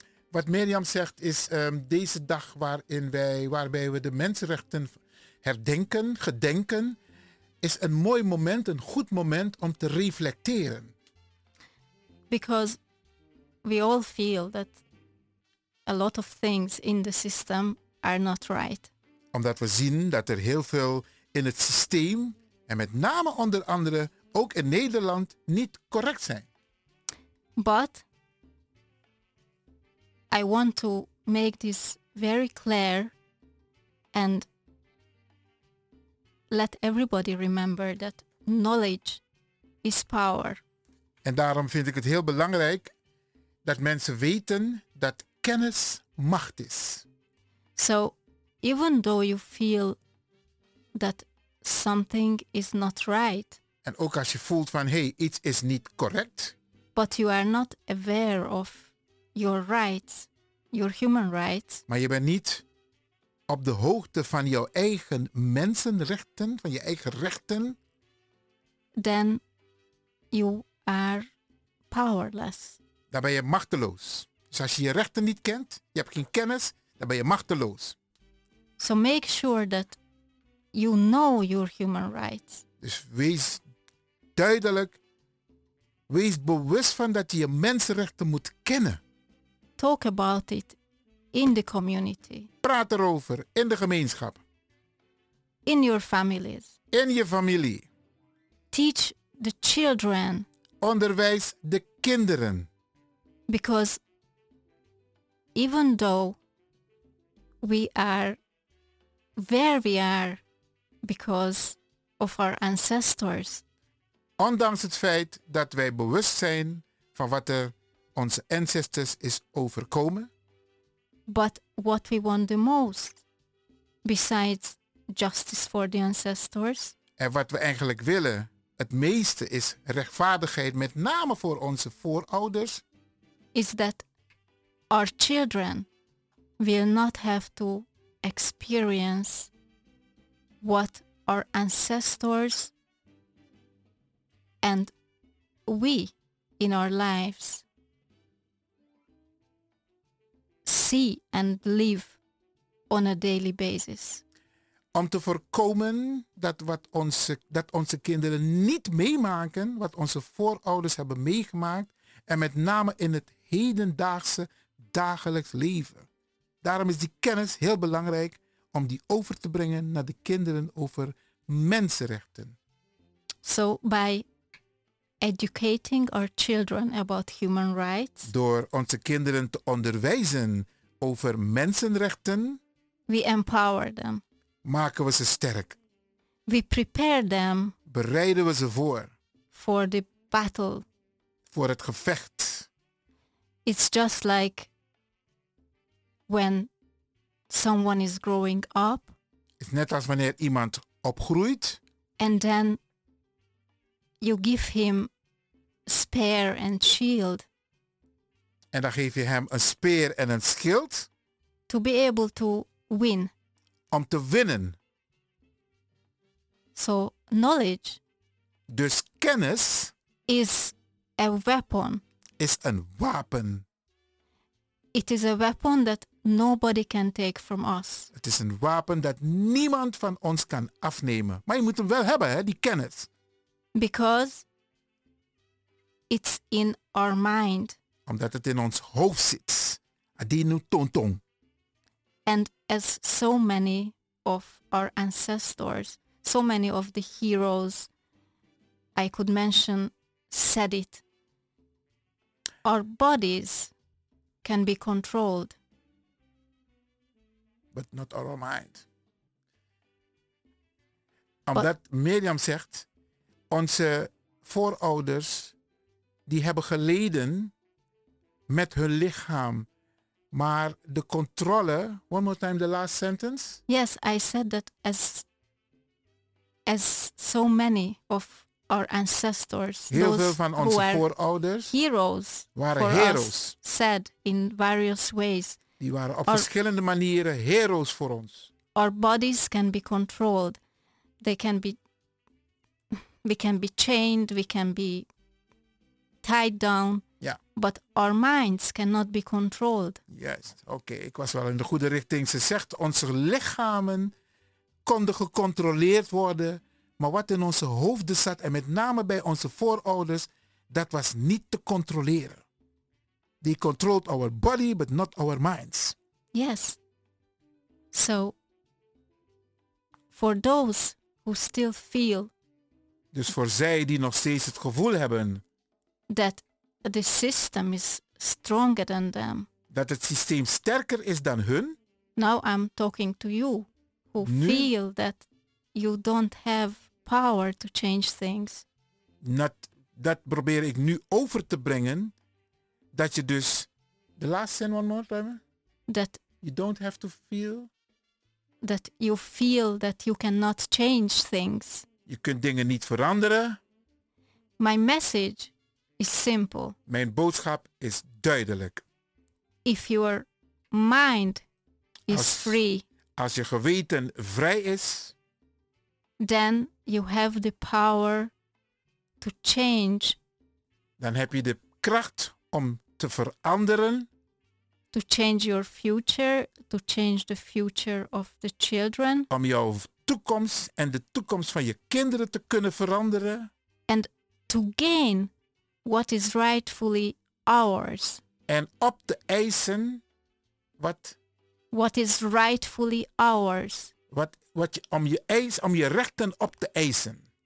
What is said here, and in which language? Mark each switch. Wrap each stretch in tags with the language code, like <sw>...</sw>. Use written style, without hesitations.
<nl>Wat Mirjam zegt is deze dag waarbij we de mensenrechten gedenken, is een mooi moment, een goed moment om te reflecteren.</nl> <en>Because we all feel that a lot of things in the system are not right.</en> <nl>Omdat we zien dat er heel veel in het systeem, en met name onder andere ook in Nederland, niet correct zijn.</nl> <en>But I want to make this very clear and let everybody remember that knowledge is power.</en> <nl>En daarom vind ik het heel belangrijk dat mensen weten dat kennis macht is.</nl> <en>So, even though you feel that something is not right.</en> <nl>En ook als je voelt van hey, iets is niet correct.</nl> <en>But you are not aware of your rights, your human rights.</en> <nl>Maar je bent niet op de hoogte van jouw eigen mensenrechten, van je eigen rechten.</nl> <en>Then you are powerless.</en> <nl>Dan ben je machteloos. Dus als je je rechten niet kent, je hebt geen kennis, dan ben je machteloos.</nl> <en>So make sure that you know your human rights.</en> <nl>Dus wees duidelijk. Wees bewust van dat je mensenrechten moet kennen.</nl> <en>Talk about it in the community.</en> <nl>Praat erover in de gemeenschap.</nl> <en>In your families.</en> <nl>In je familie.</nl> <en>Teach the children.</en> <nl>Onderwijs de kinderen.</nl> <en>Because even though we are where we are because of our ancestors.</en> <nl>Ondanks het feit dat wij bewust zijn van wat er onze ancestors is overkomen.</nl> <en>But what we want the most, besides justice for the ancestors.</en> <nl>En wat we eigenlijk willen, het meeste is rechtvaardigheid, met name voor onze voorouders.</nl> <en>Is that our children will not have to experience what our ancestors and we in our lives see and live on a daily basis.</en> <nl>Om te voorkomen dat onze kinderen niet meemaken wat onze voorouders hebben meegemaakt en met name in het hedendaagse dagelijks leven. Daarom is die kennis heel belangrijk om die over te brengen naar de kinderen over mensenrechten.</nl> <en>So by educating our children about human rights.</en> <nl>Door onze kinderen te onderwijzen over mensenrechten.</nl> <en>We empower them.</en> <nl>Maken we ze sterk.</nl> <en>We prepare them.</en> <nl>Bereiden we ze voor.</nl> <en>For the battle.</en> <nl>Voor het gevecht.</nl> <en>It's just like when someone is growing up.</en> <nl>Het is net als wanneer iemand opgroeit.</nl> <en>And then you give him spear and shield.</en> <nl>En dan geef je hem een speer en een schild.</nl> <en>To be able to win.</en> <nl>Om te winnen.</nl> <en>So knowledge.</en> <nl>Dus kennis.</nl> <en>Is a weapon.</en> <nl>Is een wapen.</nl> <en>It is a weapon that nobody can take from us.</en> <nl>Het is een wapen dat niemand van ons kan afnemen. Maar je moet hem wel hebben, hè, die kennis.</nl> <en>Because it's in our mind.</en> <nl>Omdat het in ons hoofd zit. Adinu tontong.</nl> <en>And as so many of our ancestors, so many of the heroes I could mention said it, our bodies can be controlled. But not our mind.</en> <nl>Omdat Mirjam zegt, onze voorouders die hebben geleden met hun lichaam. Maar de controle,</nl> <en>one more time, the last sentence. Yes, I said that as so many of our ancestors,</en> <nl>heel veel van onze voorouders,</nl> <en>heroes,</en> <nl>waren heroes,</nl> <en>said in various ways.</en> <nl>Die waren op verschillende manieren heroes voor ons.</nl> <en>Our bodies can be controlled. They can be, we can be chained, we can be tied down. But our minds cannot be controlled.</en> <nl>Yes, okay, ik was wel in de goede richting. Ze zegt, onze lichamen konden gecontroleerd worden, maar wat in onze hoofden zat, en met name bij onze voorouders, dat was niet te controleren.</nl> <en>They controlled our body, but not our minds. Yes. So, for those who still feel,</en> <nl>dus voor zij die nog steeds het gevoel hebben,</nl> <en>that the system is stronger than them.</en> <nl>Dat het systeem sterker is dan hun.</nl> <en>Now I'm talking to you who</en> <nl>nu,</nl> <en>feel that you don't have power to change things.</en> <nl>Dat probeer ik nu over te brengen. Dat je dus,</nl> <en>the last sentence one more time. That you don't have to feel. That you feel that you cannot change things.</en> <nl>Je kunt dingen niet veranderen.</nl> <en>My message is simple.</en> <nl>Mijn boodschap is duidelijk.</nl> <en>If your mind is free.</en> <nl>Als je geweten vrij is,</nl> <en>then you have the power to change.</en> <nl>Dan heb je de kracht om te veranderen.</nl> <en>To change your future, to change the future of the children.</en> <nl>Om jouw toekomst en de toekomst van je kinderen te kunnen veranderen.</nl> <en>And to gain what is rightfully ours.</en> <nl>En op te eisen wat,</nl> <en>what is rightfully ours.</en> <nl>Wat om je eis, om je rechten op te eisen.</nl>